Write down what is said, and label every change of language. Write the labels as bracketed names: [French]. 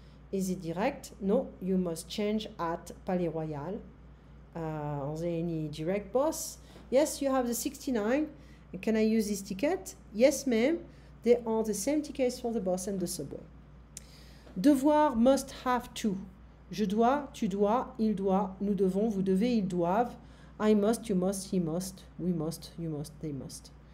[English] Is it direct? No, you must change at Palais Royal. Are there any direct bus? Yes, you have the 69. Can I use this ticket? Yes, ma'am. They are the same tickets for the bus and the subway. Devoir, must have to. [French] Je dois, tu dois, il doit, nous devons, vous devez, ils doivent. [English] I must, you must, he must, we must, you must, they must.